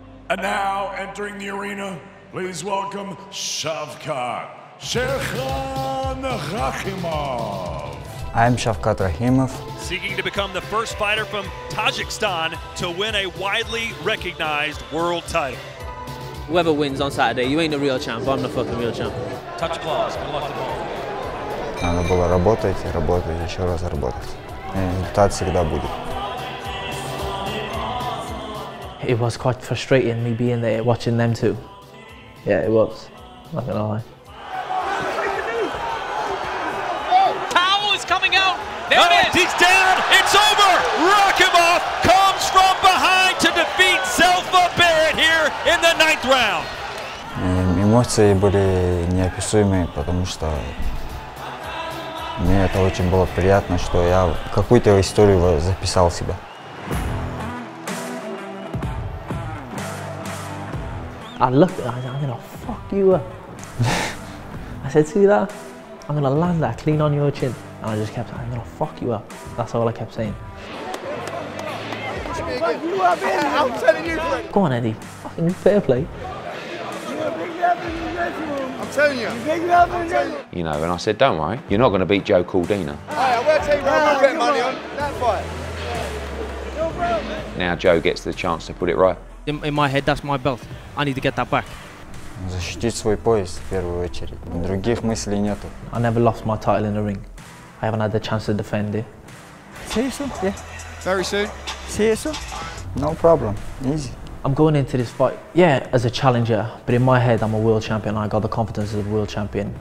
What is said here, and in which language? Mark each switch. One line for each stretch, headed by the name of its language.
English: And now, entering the arena, please welcome Shavkat Rakhimov. I am Shavkat Rakhimov. Seeking to become the first fighter from Tajikistan to win a widely recognized world title. Whoever wins on Saturday, you ain't the real champ. I'm the fucking real champ. Touch claws, good luck to the ball.
Russian: Надо было работать, работать, еще раз работать. Результат всегда будет.
English: It was quite frustrating me being there watching them two. Yeah, it was. Not gonna lie. Powell is coming out. There it is. He's down. It's over. Rakhimov comes from behind to defeat Zelfa Barrett here in the ninth round.
Russian: Эмоции были неописуемые, потому что мне это очень было приятно, что я какую-то историю записал себя.
English: I looked at him, I said, I'm going to fuck you up. I said, see that? I'm going to land that clean on your chin. And I just kept saying, I'm going to fuck you up. That's all I kept saying. Fuck you up, I'm telling you. Go on, Eddie. Fucking fair play. I'm telling you. You know, and I said, don't worry. You're not going to beat Joe Cordina. Hey, I will tell you, bro. I'll get money on that fight. No problem. Now Joe gets the chance to put it right. In my head, that's my belt. I need to get that back.
Russian: Защитить свой пояс в первую очередь. Других мыслей нету.
English: I never lost my title in the ring. I haven't had the chance to defend it. See you soon. Yeah. Very soon. See you soon. No problem. Easy. I'm going into this fight, yeah, as a challenger, but in my head I'm a world champion and I got the confidence of a world champion.